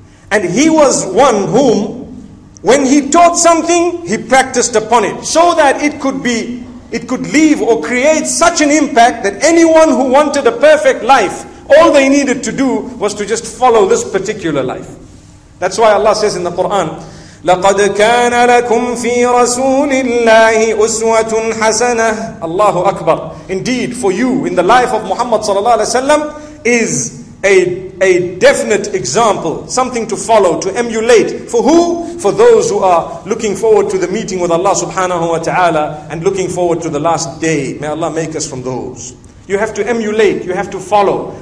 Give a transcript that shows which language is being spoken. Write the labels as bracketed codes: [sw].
[en] And he was one whom, when he taught something, he practiced upon it, so that it could leave or create such an impact that anyone who wanted a perfect life, all they needed to do was to just follow this particular life. That's why Allah says in the Quran, [ar] لَقَدْ كَانَ لَكُمْ فِي رَسُولِ اللَّهِ أُسْوَةٌ حَسَنَةٌ. Allahu Akbar. [en] Indeed, for you in the life of Muhammad sallallahu alaihi wasallam is a definite example, something to follow, to emulate. For who? For those who are looking forward to the meeting with Allah subhanahu wa ta'ala and looking forward to the last day. May Allah make us from those. You have to emulate, you have to follow.